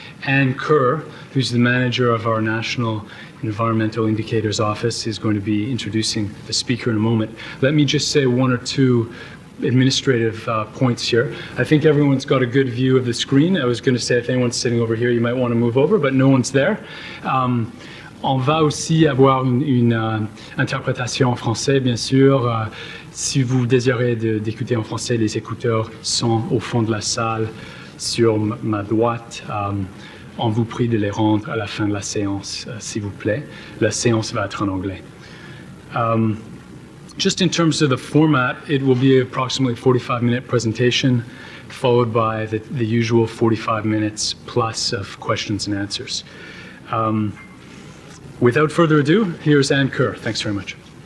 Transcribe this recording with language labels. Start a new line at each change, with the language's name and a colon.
English: And Kerr, who's the manager of our National Environmental Indicators Office, is going to be introducing the speaker in a moment. Let me just say one or two administrative points here. I think everyone's got a good view of the screen. I was going to say if anyone's sitting over here, you might want to move over, but no one's there.
French: On va aussi avoir une interprétation en français, bien sûr. Si vous désirez d'écouter en français, les écouteurs sont au fond de la salle sur ma droite. On vous prie de les rendre à la fin de la séance, s'il vous plaît. La séance va être en anglais.
English: Just in terms of the format, it will be approximately a 45-minute presentation followed by the usual 45 minutes plus of questions and answers. Without further ado, here's Ann Kerr. Thanks very much.